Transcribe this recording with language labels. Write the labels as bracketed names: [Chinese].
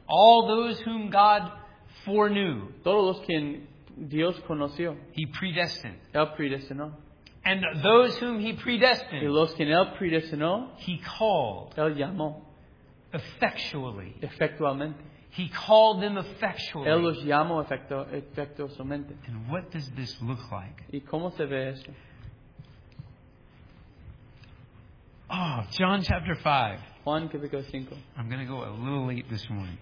[English] All those whom God foreknew. [Spanish] Todos los que Dios conoció. [English] He predestined. [Spanish] Él predestinó. [English] And those whom he predestined. [Spanish] Y los que él predestinó. [English] He called. [Spanish] Él llamó. [English] Effectually. [Spanish] Efectualmente. [English] He called them effectually. [Spanish] Él los llamó efectuosamente. [English] And what does this look like? [Spanish] ¿Y cómo se ve esto? [English] Oh, John chapter 5. [Spanish] Juan capítulo 5. [English] I'm going to go a little late this morning.